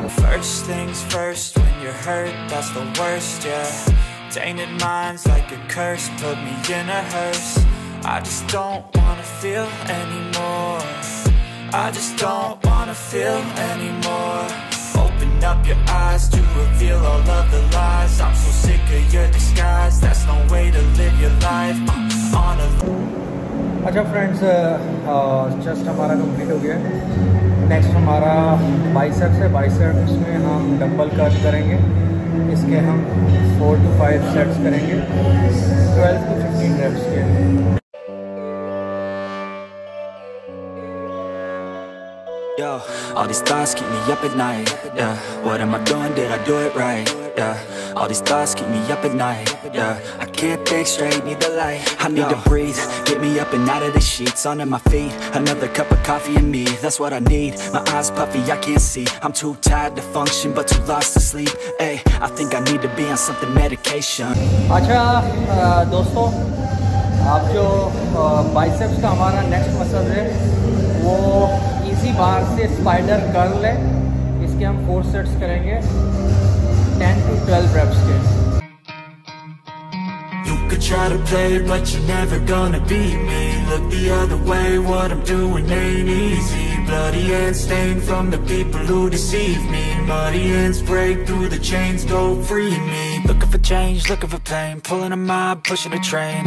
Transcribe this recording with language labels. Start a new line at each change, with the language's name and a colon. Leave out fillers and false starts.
English: First things first, when you hurt that's the worst, ya tainted minds like a curse put me in a hearse. I just don't want to feel any more, I just don't want to feel any more. Up your eyes to reveal all of the lies. I'm so sick of your disguise. That's no way to live your life.
Hindi: On a अच्छा friends, chest हमारा complete हो गया। Next हमारा biceps है। Biceps में हम dumbbell कर्च करेंगे, इसके हम 4 to 5 सेट्स करेंगे, 12 to 15 रेप्स के।
English: Yo, Yo, all these thoughts keep me up at night, yeah. What am I doing? Did I do it right? Yeah, all these thoughts keep me up at night, yeah. I can't think straight, need the light. I need to breathe, get me up and out of the sheets. Onto my feet, another cup of coffee and me. That's what I need, my eyes puffy, I can't see. I'm too tired to function, but too lost to sleep. Ay, I think I need to be on something medication.
Hindi: Acha, dosto, aap jo biceps ka hamara next muscle hai, wo इसी बार से spider कर ले, इसके हम 4 sets करेंगे 10 to 12 wraps के.
English: You could try to play but you're never gonna beat me. Look the other way, what I'm doing ain't easy. Bloody hands stained from the people who deceive me. Muddy hands break through the chains, go free me. Looking for change, looking for pain. Pulling a mob, pushing a train.